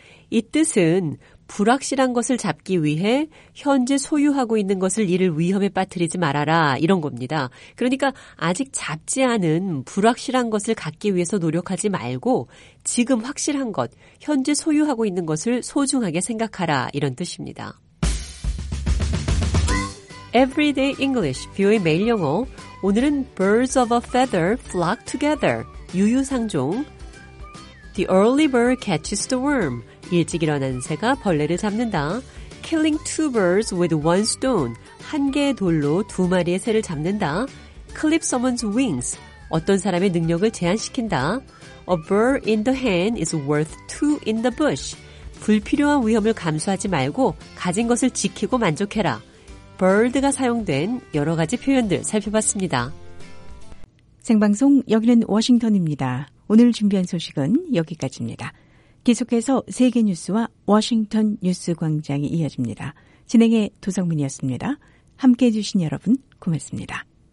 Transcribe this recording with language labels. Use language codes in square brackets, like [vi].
[ko] 이 뜻은 불확실한 것을 잡기 위해 현재 소유하고 있는 것을 잃을 위험에 빠뜨리지 말아라 이런 겁니다. 그러니까 아직 잡지 않은 불확실한 것을 갖기 위해서 노력하지 말고 지금 확실한 것, 현재 소유하고 있는 것을 소중하게 생각하라 이런 뜻입니다. Everyday English, 뷰의 매일 영어. 오늘은 [en] Birds of a Feather Flock Together, [ko] 유유상종. [en] The early bird catches the worm. [ko] 일찍 일어난 새가 벌레를 잡는다. [en] Killing two birds with one stone. [ko] 한 개의 돌로 두 마리의 새를 잡는다. [en] Clip someone's wings. [ko] 어떤 사람의 능력을 제한시킨다. [en] A bird in the hand is worth two in the bush. [ko] 불필요한 위험을 감수하지 말고 가진 것을 지키고 만족해라. Bird가 사용된 여러 가지 표현들 살펴봤습니다. 생방송 여기는 워싱턴입니다. 오늘 준비한 소식은 여기까지입니다. 계속해서 세계뉴스와 워싱턴 뉴스광장이 이어집니다. 진행의 도성민이었습니다. 함께해 주신 여러분 고맙습니다.